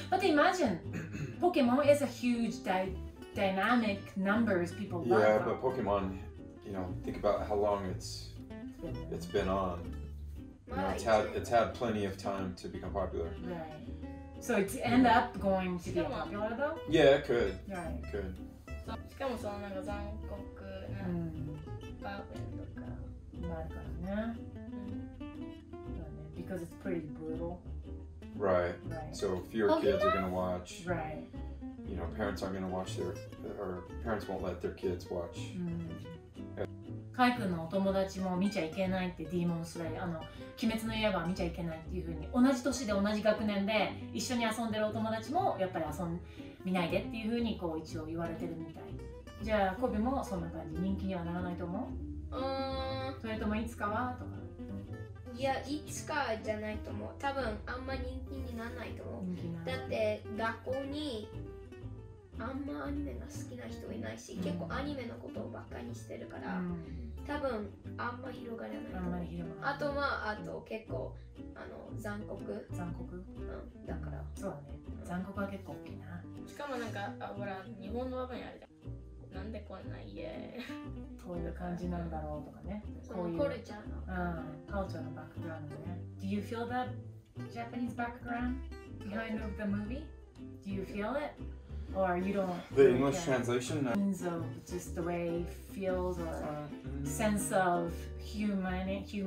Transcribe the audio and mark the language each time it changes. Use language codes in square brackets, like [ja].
[en] But imagine, Pokemon is a huge dynamic numbers people love. Yeah, but Pokemon, you know, think about how long it's been on. You know, it's had plenty of time to become popular. Right. So it's end up going to be popular though? Yeah, it could. Right. It could. [ja] しかもそのなんか残酷な場面とか。 [en] Because it's pretty brutal. Right. So fewer kids are going to watch. You know, parents aren't going to watch or parents won't let their kids watch. [ja] Kai君のお友達も見ちゃいけないって、Demon Slayer、あの、鬼滅の刃は見ちゃいけないっていうふうに、同じ年で同じ学年で一緒に遊んでるお友達もやっぱり見ないでっていうふうにこう一応言われてるみたい。じゃあ、コビもそんな感じ、人気にはならないと思う？それともいつかはとか。いや、いつかじゃないと思う。多分あんま人気にならないと思う。だって学校にあんまアニメが好きな人いないし、結構アニメのことをばっかりにしてるから、多分あんま広がらないと思う。あとは、あと結構あの残酷。残酷、だから。そうだね。残酷は結構大きいな。しかもなんか、あ、ほら、日本の場面あるじゃん。なんでこんな家こういう感じなんだろうとかね、こういうコルチャーの、カルチャーのバックグラウンドね。 [en] Do you feel that Japanese background behind of the movie? Do you feel it? Or you don't? The English translation? The means of just the way it feels or sense of humanity?